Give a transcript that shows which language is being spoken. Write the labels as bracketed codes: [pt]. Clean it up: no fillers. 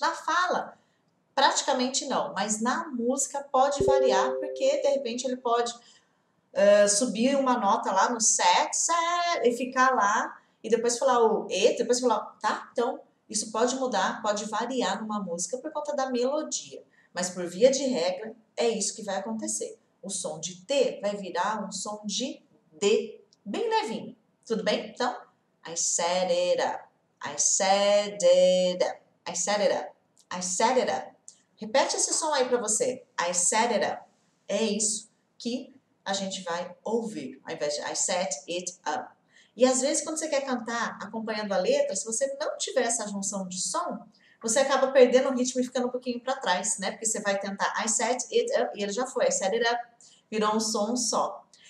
[pt] Na fala, praticamente não. Mas na música pode variar porque, de repente, ele pode subir uma nota lá no set e ficar lá e depois falar o E, depois falar, tá? Então, isso pode mudar, pode variar numa música por conta da melodia. Mas por via de regra, é isso que vai acontecer. O som de T vai virar um som de D, bem levinho. Tudo bem? Então, [en] I set it up. I set it up. I set it up. I set it up. [pt] Repete esse som aí pra você. [en] I set it up. [pt] É isso que a gente vai ouvir, ao invés de [en] I set it up. [pt] E às vezes, quando você quer cantar acompanhando a letra, se você não tiver essa junção de som, você acaba perdendo o ritmo e ficando um pouquinho para trás, né? Porque você vai tentar [en] I set it up [pt] e ele já foi, I set it up, virou um som só.